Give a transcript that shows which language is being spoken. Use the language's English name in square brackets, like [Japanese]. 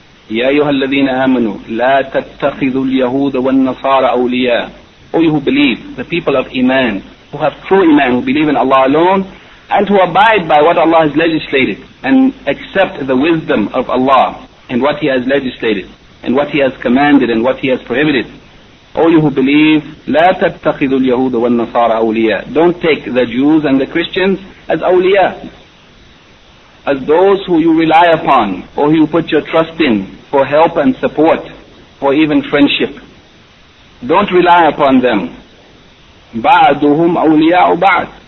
[Arabic] يَا أَيُّهَا الَّذِينَ آمَنُوا لَا تَتَّخِذُوا الْيَهُودَ وَالنَّصَارَ أَوْلِيَاءَ. [English] O you who believe, the people of Iman, who have true Iman, who believe in Allah alone, and who abide by what Allah has legislated, and accept the wisdom of Allah, and what He has legislated, and what He has commanded, and what He has prohibited. O you who believe, [Arabic] لا تتخذوا اليهود والنصارى أولياء. [English] Don't take the Jews and the Christians as أولياء, as those who you rely upon, or you put your trust in, for help and support, or even friendship. Don't rely upon them. [Arabic] بَعْدُهُمْ أَوْلِيَاءُ بَعْدٍ.